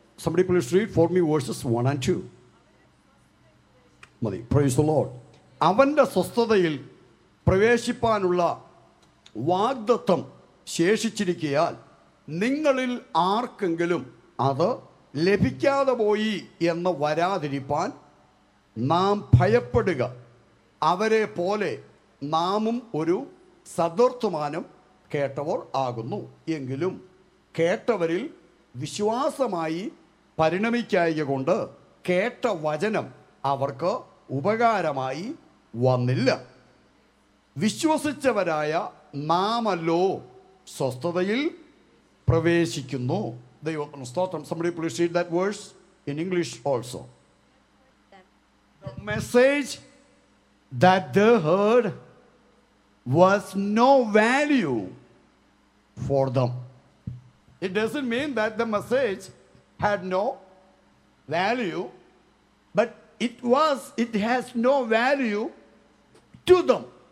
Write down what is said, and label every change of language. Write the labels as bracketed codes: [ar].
[en] Somebody please read for me verses 1 and 2. [ml] മതി. [en] Praise the Lord. [ml] അവൻ്റെ സ്വസ്ഥതയിൽ പ്രവേശിപ്പാനുള്ള വാഗ്ദത്തം ശേഷിച്ചിരിക്കയാൽ നിങ്ങളിൽ ആർക്കെങ്കിലും അത് ലഭിക്കാതെ പോയി എന്ന് വരാതിരിപ്പാൻ നാം ഭയപ്പെടുക. അവരെ പോലെ നാമും ഒരു സദ്വർത്തമാനം കേട്ടവർ ആകുന്നു. എങ്കിലും കേട്ടവരിൽ വിശ്വാസമായി പരിണമിക്കായ കൊണ്ട് കേട്ട വചനം അവർക്ക് ഉപകാരമായി വന്നില്ല. വിശ്വസിച്ചവരായ നാമല്ലോ സ്വസ്ഥതയിൽ പ്രവേശിക്കുന്നു. ദൈവത്തിന് സ്തോത്രം. [en] Somebody please read that verse in English also. The message that they heard was no value for them. It doesn't mean that the message had no value, but it has no value to them.